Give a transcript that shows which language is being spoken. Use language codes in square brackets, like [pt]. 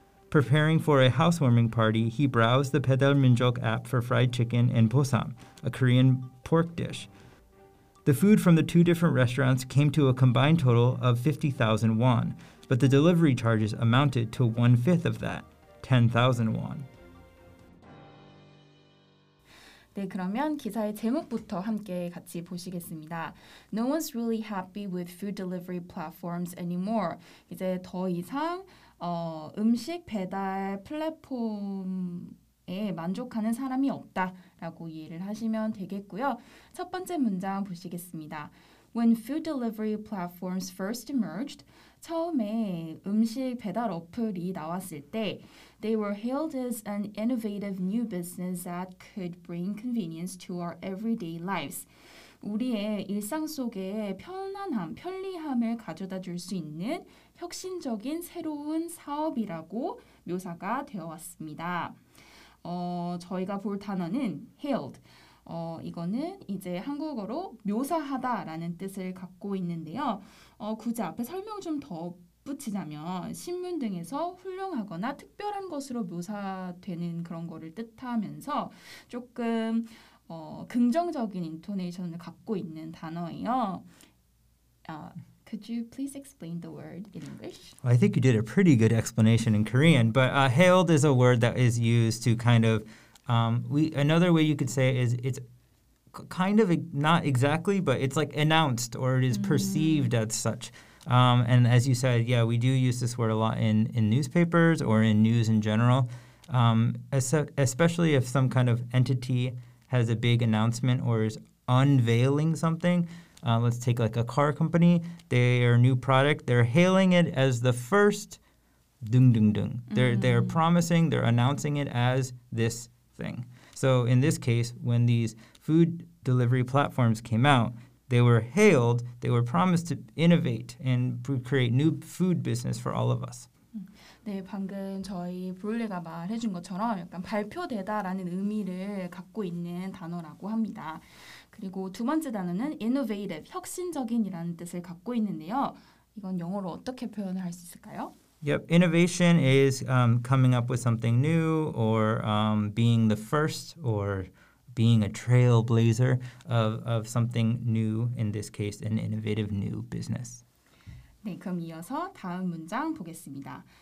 [en] Preparing for a housewarming party, he browsed the 배달민족 app for fried chicken and bosam, a Korean pork dish. The food from the two different restaurants came to a combined total of 50,000 won, but the delivery charges amounted to one-fifth of that. 10,000 won. [ko] 네, 그러면 기사의 제목부터 함께 같이 보시겠습니다. [en] No one's really happy with food delivery platforms anymore. [ko] 이제 더 이상 음식 배달 플랫폼에 만족하는 사람이 없다라고 이해를 하시면 되겠고요. 첫 번째 문장 보시겠습니다. [en] When food delivery platforms first emerged, [ko] 처음에 음식 배달 어플이 나왔을 때 [en] they were hailed as an innovative new business that could bring convenience to our everyday lives. [ko] 우리의 일상 속에 편안함, 편리함을 가져다 줄 수 있는 혁신적인 새로운 사업이라고 묘사가 되어 왔습니다. 저희가 볼 단어는 hailed. 이거는 이제 한국어로 묘사하다라는 뜻을 갖고 있는데요. 굳이 앞에 설명 좀 더 붙이자면 신문 등에서 훌륭하거나 특별한 것으로 묘사되는 그런 거를 뜻하면서 조금 긍정적인 인토네이션을 갖고 있는 단어예요. [en] Could you please explain the word in English? Well, I think you did a pretty good explanation in Korean, but hailed is a word that is used to kind of another way you could say it is it's kind of not exactly, but it's like announced or it is perceived as such. And as you said, yeah, we do use this word a lot in newspapers or in news in general, especially if some kind of entity has a big announcement or is unveiling something. Let's take like a car company, their new product, they're hailing it as the first dung dung dung. They're promising, they're announcing it as this thing. So in this case, when these food delivery platforms came out, they were hailed, they were promised to innovate and create new food business for all of us. [ko] 네, 방금 저희 브롤리가 말해준 것처럼 약간 발표되다라는 의미를 갖고 있는 단어라고 합니다. 그리고 두 번째 단어는 innovative, 혁신적인이라는 뜻을 갖고 있는데요. 이건 영어로 어떻게 표현을 할 수 있을까요? [en] Yep, innovation is coming up with something new or being the first or being a trailblazer of something new, in this case, an innovative new business. [ko] 네, 그럼 이어서 다음 문장 보겠습니다.